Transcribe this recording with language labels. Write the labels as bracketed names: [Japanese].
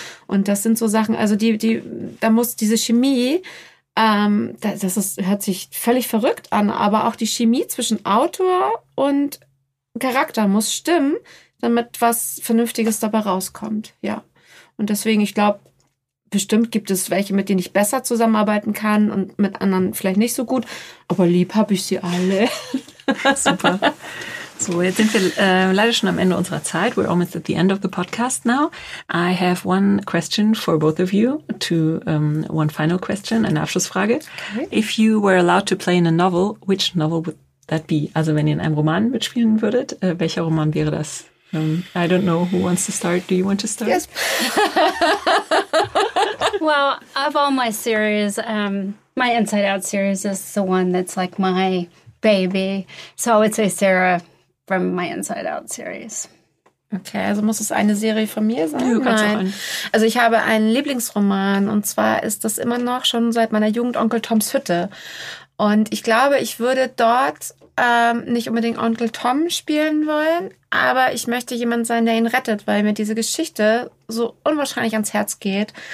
[German] Und das sind so Sachen, also die da muss diese Chemie, hört sich völlig verrückt an, aber auch die Chemie zwischen Autor und Charakter muss stimmen, damit was Vernünftiges dabei rauskommt, ja. Und deswegen, ich glaube, bestimmt gibt es welche, mit denen ich besser zusammenarbeiten kann und mit anderen vielleicht nicht so gut, aber lieb habe ich sie alle. Super. So, jetzt sind wir leider schon am Ende unserer Zeit. [English] We're almost at the end of the podcast now. I have one question for both of you, one final question, [German] eine Abschlussfrage. [English] Okay. If you were allowed to play in a novel, which novel would that be? [German] Also wenn ihr in einem Roman mitspielen würdet, welcher Roman wäre das? [English] I don't know who wants to start. Do you want to start? Yes. Well, of all my series, my Inside Out series is the one that's like my baby. So I would say Sarah from my Inside Out series. [German] Okay, also muss es eine Serie von mir sein? Ja, nein. Also ich habe einen Lieblingsroman und zwar ist das immer noch schon seit meiner Jugend Onkel Toms Hütte. Und ich glaube, ich würde dort nicht unbedingt Onkel Tom spielen wollen, aber ich möchte jemand sein, der ihn rettet, weil mir diese Geschichte so unwahrscheinlich ans Herz geht.